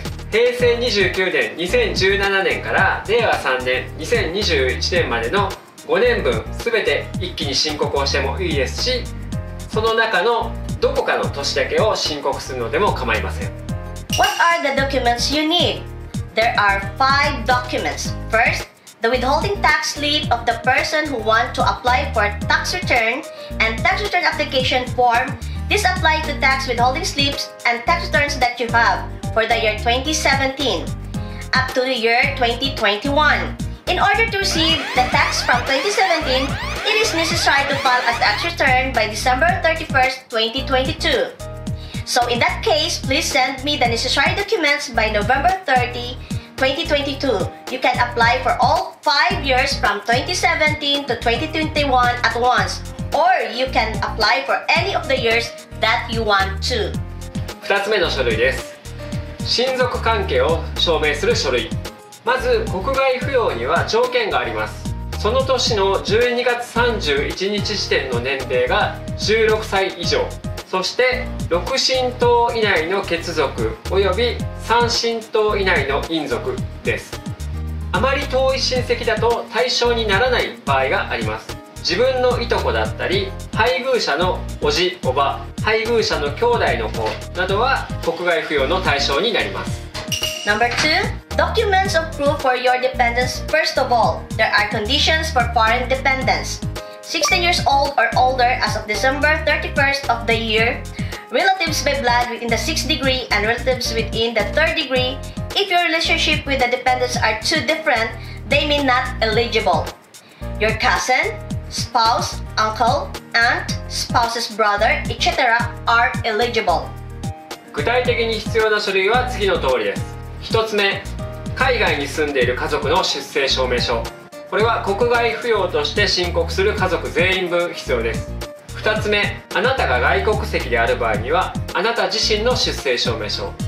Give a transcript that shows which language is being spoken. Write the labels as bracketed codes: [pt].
[ja] 平成29年2017年から令和3年2021年までの5年分すべて一気に申告をしてもいいですし、その中のどこかの年だけを申告するのでも構いません。 [en] What are the documents you need? There are 5 documents. FirstThe withholding tax slip of the person who wants to apply for tax return and tax return application form. This applies to tax withholding slips and tax returns that you have for the year 2017 up to the year 2021. In order to receive the tax from 2017, it is necessary to file a tax return by December 31st, 2022. So in that case, please send me the necessary documents by November 30, 2022. You can apply for all 5 years from 2017 to 2021 at once, or you can apply for any of the years that you want to. [ja] 2つ目の書類です。親族関係を証明する書類。まず国外扶養には条件があります。その年の12月31日時点の年齢が16歳以上、そして6親等以内の血族および3親等以内の姻族です。あまり遠い親戚だと対象にならない場合があります。自分のいとこだったり、配偶者のおじ、おば、配偶者の兄弟の子などは国外扶養の対象になります。 [en] Number 2. Documents of proof for your dependence. First of all, there are conditions for foreign dependence. 16 years old or older as of December 31st of the year, relatives by blood within the 6th degree and relatives within the 3rd degree, if your relationship with the dependents are too different, they may not eligible. Your cousin, spouse, uncle, aunt, spouse's brother, etc. are eligible. [ja] 具体的に必要な書類は次の通りです。1つ目、海外に住んでいる家族の出生証明書。これは国外扶養として申告する家族全員分必要です。 2つ目、あなたが外国籍である場合にはあなた自身の出生証明書。